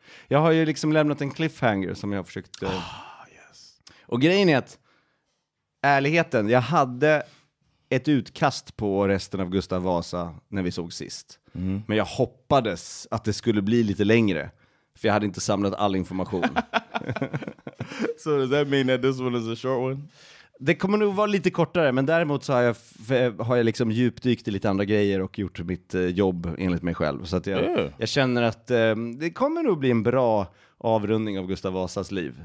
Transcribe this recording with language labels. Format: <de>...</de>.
<sv>Jag har ju liksom lämnat en cliffhanger som jag har försökt...</sv> <en>Yes.</en> <sv>Och grejen är att, ärligheten, jag hade ett utkast på resten av Gustav Vasa när vi såg sist. Mm. Men jag hoppades att det skulle bli lite längre. För jag hade inte samlat all information.</sv> <en>So does that mean that this one is a short one?</en> <sv>Det kommer nog vara lite kortare, men däremot så har jag liksom djupdykt i lite andra grejer och gjort mitt jobb enligt mig själv. Så att jag känner att det kommer nog bli en bra avrundning av Gustav Vasas liv.</sv>